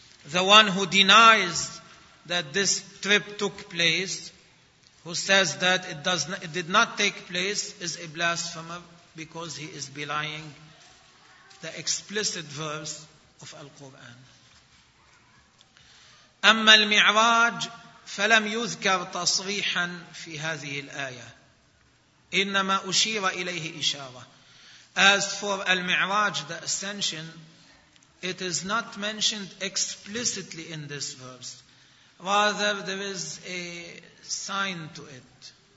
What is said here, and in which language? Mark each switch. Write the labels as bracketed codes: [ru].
[en] The one who denies that this trip took place, who says that it did not take place, is a blasphemer, because he is belying the explicit verse of Al-Quran. [ar] أما المعراج فلم يذكر تصريحا في هذه الآية, إنما أشير إليه إشارة. [en] As for Al-Mi'raj, the ascension, it is not mentioned explicitly in this verse. Rather, there is a sign to it.